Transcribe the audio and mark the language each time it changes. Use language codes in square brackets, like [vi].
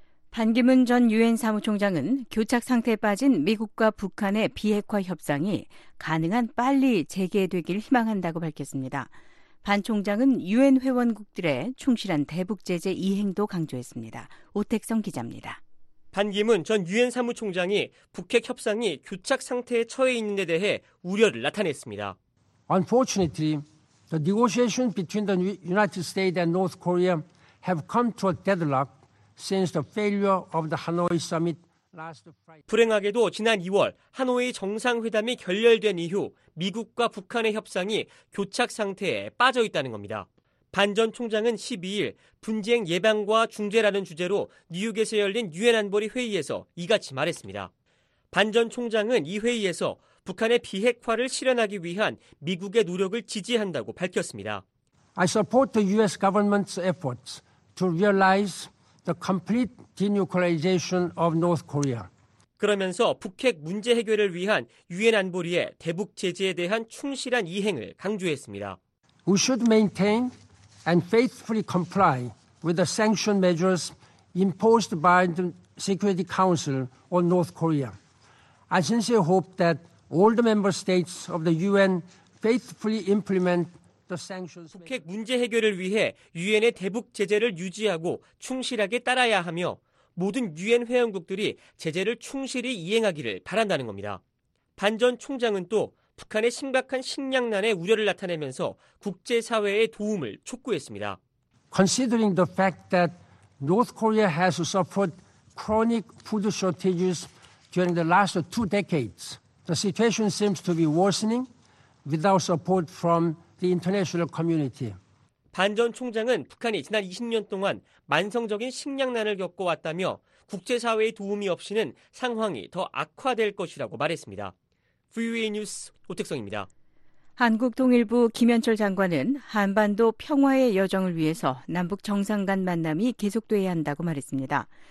[ko] 반기문 전 유엔 사무총장은 교착 상태에 빠진 미국과 북한의 비핵화 협상이 가능한 빨리 재개되길 희망한다고 밝혔습니다. 반 총장은 유엔 회원국들의 충실한 대북 제재 이행도 강조했습니다. 오택성 기자입니다. 반기문 전 유엔 사무총장이 북핵 협상이 교착 상태에 처해 있는 데 대해 우려를 나타냈습니다. [en] Unfortunately, the negotiation between the United States and North Korea have come to a deadlock since the failure of the Hanoi summit last Friday. [ko] 불행하게도 지난 2월 하노이 정상회담이 결렬된 이후 미국과 북한의 협상이 교착 상태에 빠져 있다는 겁니다. 반 전 총장은 12일 분쟁 예방과 중재라는 주제로 뉴욕에서 열린 유엔 안보리 회의에서 이같이 말했습니다. 반 전 총장은 이 회의에서 북한의 비핵화를 실현하기 위한 미국의 노력을 지지한다고 밝혔습니다. [en] I support the US government's efforts to realize the complete denuclearization of North Korea. [ko] 그러면서 북핵 문제 해결을 위한 유엔 안보리의 대북 제재에 대한 충실한 이행을 강조했습니다. [en] We should maintain and faithfully comply with the sanction measures imposed by the Security Council on North Korea. I sincerely hope that all the member states of the UN faithfully implement [ko] 북핵 문제 해결을 위해 유엔의 대북 제재를 유지하고 충실하게 따라야 하며 모든 유엔 회원국들이 제재를 충실히 이행하기를 바란다는 겁니다. 반 전 총장은 또 북한의 심각한 식량난에 우려를 나타내면서 국제사회의 도움을 촉구했습니다. [en] Considering the fact that North Korea has suffered chronic food shortages during the last two decades, the situation seems to be worsening without support from the international community. [ko] 반 전 총장은 북한이 지난 20년 동안 만성적인 식량난을 겪어왔다며 국제사회의 도움이 없이는 상황이 더 악화될 것이라고 말했습니다. VOA 뉴스 오택성입니다. 한국통일부 김현철 장관은 한반도 평화의 여정을 위해서 남북 정상 간 만남이 계속돼야 한다고 말했습니다.